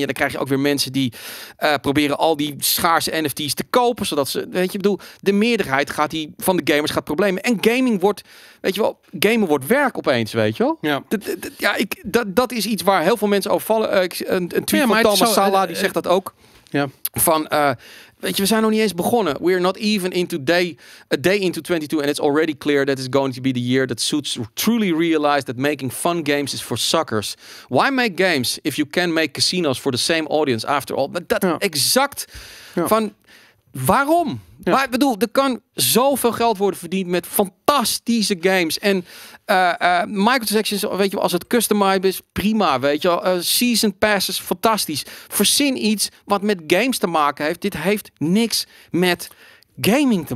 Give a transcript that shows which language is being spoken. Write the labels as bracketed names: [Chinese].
[Dutch] En ja, dan krijg je ook weer mensen die proberen al die schaarse NFT's te kopen, zodat ze, weet je, bedoel, de meerderheid gaat die van de gamers gaat problemen. En gaming wordt, weet je wel, gamen wordt werk opeens, weet je wel. Ja, dat is iets waar heel veel mensen over vallen. Een tweet van Thomas Sala, die zegt dat ook. Ja. Van, weet je, we zijn nog niet eens begonnen. [English] We're not even into a day into 22. And it's already clear that it's going to be the year that suits truly realize that making fun games is for suckers. Why make games if you can make casinos for the same audience after all? [Dutch] Dat exact van, waarom? Ja. Maar ik bedoel, er kan zoveel geld worden verdiend met fantastische games. En microtransactions, weet je, als het customized is, prima, weet je. Season passes, fantastisch. Verzin iets wat met games te maken heeft. Dit heeft niks met gaming te maken.